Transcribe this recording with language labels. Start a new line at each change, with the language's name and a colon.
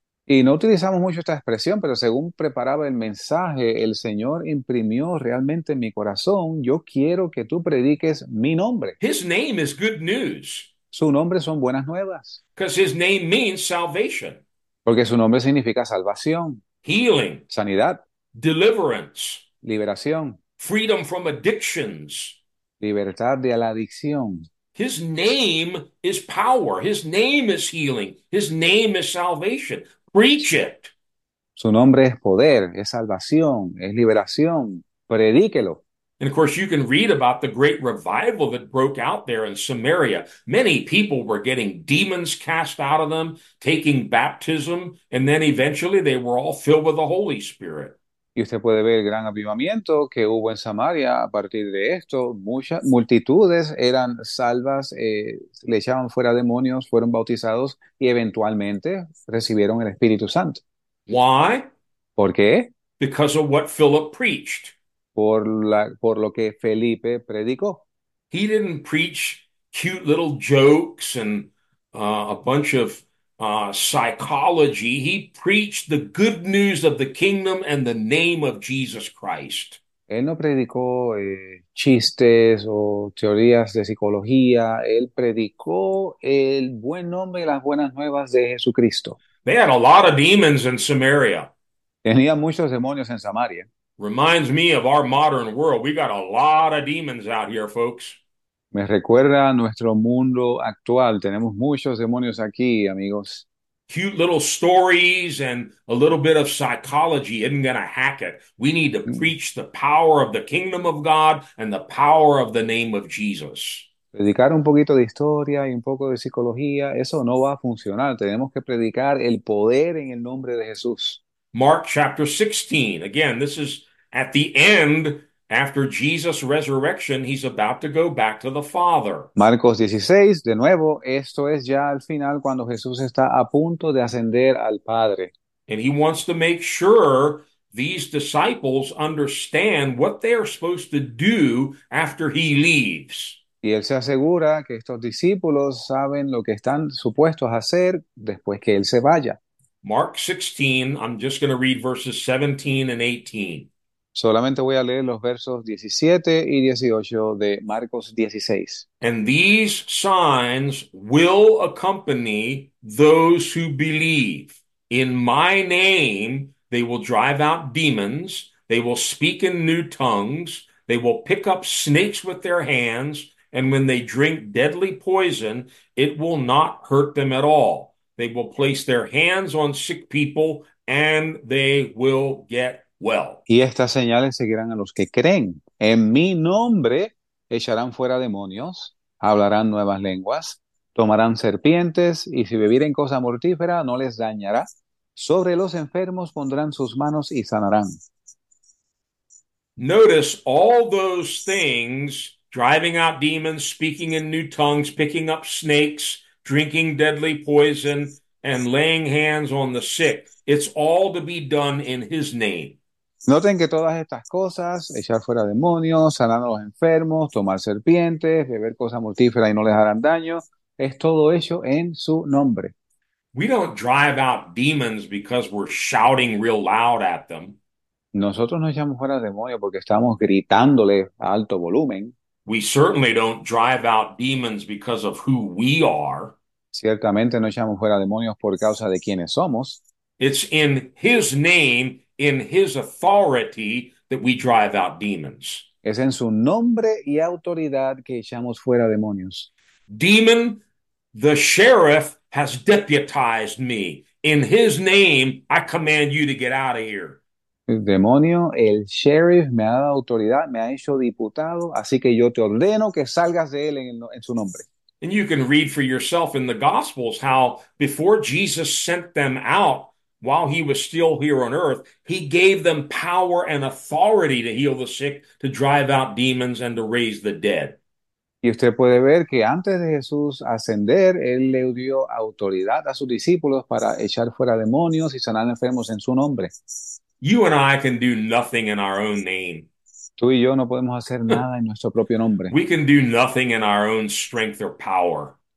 Spanish: Y no utilizamos mucho esta expresión, pero según preparaba el mensaje, el Señor imprimió realmente en mi corazón, yo quiero que tú prediques mi nombre.
English: His name is good news.
Spanish: Su nombre son buenas nuevas.
English: Because his name means salvation,
Spanish: Porque su nombre significa salvación,
English: healing,
Spanish: sanidad,
English: deliverance,
Spanish: liberación,
English: freedom from addictions.
Spanish: libertad de la adicción.
English: His name is power. His name is healing. His name is salvation. Preach it.
Spanish: Su nombre es poder, es salvación, es liberación. Predíquelo.
English: And of course, you can read about the great revival that broke out there in Samaria. Many people were getting demons cast out of them, taking baptism, and then eventually they were all filled with the Holy Spirit.
Spanish: Y usted puede ver el gran avivamiento que hubo en Samaria a partir de esto. Muchas multitudes eran salvas, le echaban fuera demonios, fueron bautizados y eventualmente recibieron el Espíritu Santo.
English: Why?
Spanish: ¿Por qué?
English: Because of what Philip preached.
Spanish: por lo que Felipe predicó.
English: He didn't preach cute little jokes and a bunch of psychology. He preached the good news of the kingdom and the name of Jesus Christ.
Spanish: Él no predicó chistes o teorías de psicología. Él predicó el buen nombre y las buenas nuevas de Jesucristo.
English: They had a lot of demons in Samaria.
Spanish: Tenía muchos demonios en Samaria.
English: Reminds me of our modern world. We got a lot of demons out here, folks.
Spanish: Me recuerda a nuestro mundo actual. Tenemos muchos demonios aquí, amigos.
English: Cute little stories and a little bit of psychology isn't going to hack it. We need to preach the power of the kingdom of God and the power of the name of Jesus.
Spanish: Predicar un poquito de historia y un poco de psicología, eso no va a funcionar. Tenemos que predicar el poder en el nombre de Jesús.
English: Mark chapter 16. Again, this is at the end after Jesus' resurrection. He's about to go back to the Father.
Spanish: Marcos 16, de nuevo, esto es ya al final cuando Jesús está a punto de ascender al Padre.
English: And he wants to make sure these disciples understand what they are supposed to do after he leaves.
Spanish: Y él se asegura que estos discípulos saben lo que están supuestos a hacer después que él se vaya.
English: Mark 16, I'm just going to read verses 17 and 18.
Spanish: Solamente voy a leer los versos 17 y 18 de Marcos 16.
English: And these signs will accompany those who believe. In my name, they will drive out demons, they will speak in new tongues, they will pick up snakes with their hands, and when they drink deadly poison, it will not hurt them at all. They will place their hands on sick people and they will get well.
Spanish: Y estas señales seguirán a los que creen. En mi nombre echarán fuera demonios, hablarán nuevas lenguas, tomarán serpientes y si bebieren cosa mortífera no les dañará. Sobre los enfermos pondrán sus manos y sanarán.
English: Notice all those things, driving out demons, speaking in new tongues, picking up snakes, drinking deadly poison and laying hands on the sick. It's all to be done in his name.
Spanish: Noten que todas estas cosas, echar fuera demonios, sanar a los enfermos, tomar serpientes, beber cosas mortíferas y no les harán daño, es todo hecho en su nombre.
English: We don't drive out demons because we're shouting real loud at them.
Spanish: Nosotros no echamos fuera demonios porque estamos gritándole a alto volumen.
English: We certainly don't drive out demons because of who we are.
Spanish: Ciertamente no echamos fuera demonios por causa de quienes somos.
English: It's in his name, in his authority, that we drive out demons.
Spanish: Es en su nombre y autoridad que echamos fuera demonios.
English: Demon, the sheriff has deputized me. In his name, I command you to get out of here.
Spanish: Demonio, el sheriff me ha dado autoridad, me ha hecho diputado, así que yo te ordeno que salgas de él en su nombre.
English: And you can read for yourself in the Gospels how before Jesus sent them out while he was still here on earth, he gave them power and authority to heal the sick, to drive out demons, and to raise the dead.
Spanish: Y usted puede ver que antes de Jesús ascender, él le dio autoridad a sus discípulos para echar fuera demonios y sanar enfermos en su nombre.
English: You and I can do nothing in our own name.
Spanish: Tú y yo no podemos hacer nada en nuestro propio nombre.
English: We can do nothing in our own strength or power.